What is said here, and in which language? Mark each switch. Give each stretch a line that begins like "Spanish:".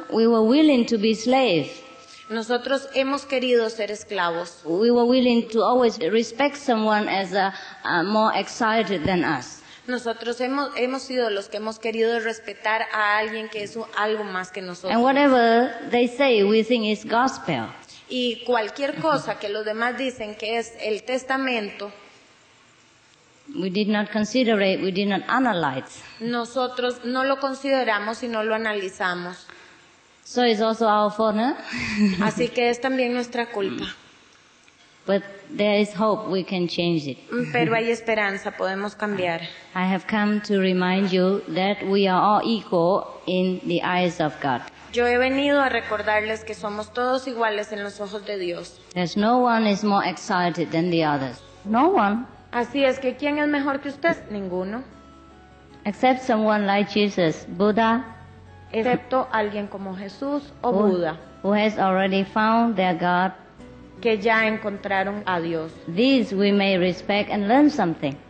English: We were willing to be slaves.
Spanish: Nosotros hemos querido ser esclavos.
English: We were willing to always respect someone as a more exalted than us.
Spanish: Nosotros hemos sido los que hemos querido respetar a alguien que es algo más que nosotros.
English: And whatever they say, we think is gospel.
Spanish: Y cualquier cosa que los demás dicen que es el testamento,
English: we did not consider it, we did not analyze.
Spanish: Nosotros no lo consideramos y no lo analizamos.
English: So it's also our fault, huh?
Spanish: Así que es también nuestra culpa.
English: But there is hope, we can change it.
Spanish: Pero hay esperanza, podemos cambiar.
English: I have come to remind you that we are all equal in the eyes of God.
Spanish: Yo he venido a recordarles que somos todos iguales en los ojos de Dios.
English: There's no one is more exalted than the others. No one.
Spanish: Así es que ¿quién es mejor que usted? Ninguno.
English: Except someone like Jesus, Buddha.
Spanish: Excepto alguien como Jesús o Buda.
English: Who has already found their God.
Spanish: Que ya encontraron a Dios.
English: These we may respect and learn something.